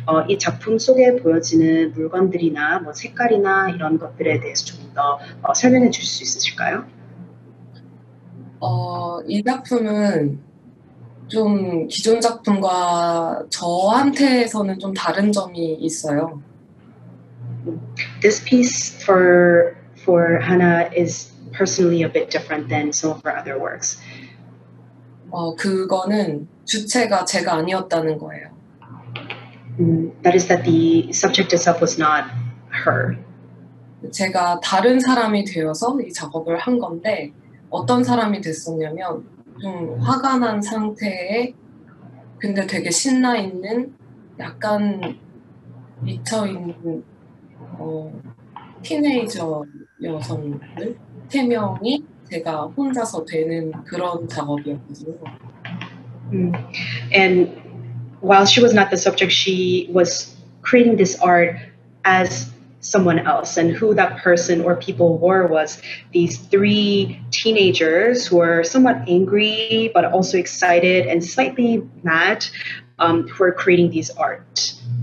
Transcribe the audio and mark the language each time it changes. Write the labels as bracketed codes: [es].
[ko] 이 작품 속에 보여지는 물건들이나 뭐 색깔이나 이런 것들에 대해서 좀 더 설명해 주실 수 있으실까요? 이 작품은 좀 기존 작품과 저한테서는 좀 다른 점이 있어요. [en] This piece for Hannah is personally a bit different than some of her other works. [ko] 그거는 주체가 제가 아니었다는 거예요. [en] That is that the subject itself was not her. [ko] 제가 다른 사람이 되어서 이 작업을 한 건데 어떤 사람이 됐었냐면 좀 화가 난 상태에 근데 되게 신나 있는 약간 미쳐 있는 티네이저 여성들 세 명이 제가 혼자서 되는 그런 작업이었거든요. [en] And while she was not the subject, she was creating this art as someone else, and who that person or people were was these three teenagers who were somewhat angry but also excited and slightly mad, who were creating these art.